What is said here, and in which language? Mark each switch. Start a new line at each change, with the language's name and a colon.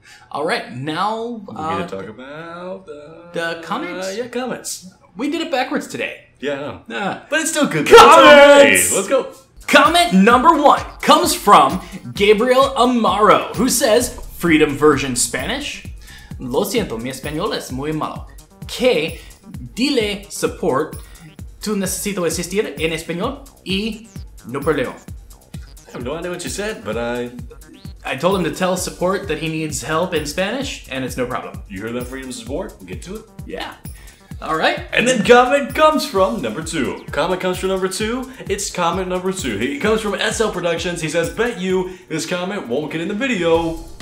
English: All right, now we're gonna talk about the comments. Yeah, comments. We did it backwards today. Yeah, I know. But it's still good. Comments. Let's go. Comment number one comes from Gabriel Amaro, who says, "Freedom version Spanish."
Spanish: Lo siento, mi español es muy malo. Que dile support. Tú necesito asistir en español y no problema.
English: I have no idea what you said, but I told him to tell support that he needs help in Spanish, and it's no problem. You hear that, freedom support? We'll get to it. Yeah. All right. And then comment comes from number two. It's comment number two. He comes from SL Productions. He says, "Bet you this comment won't get in the video."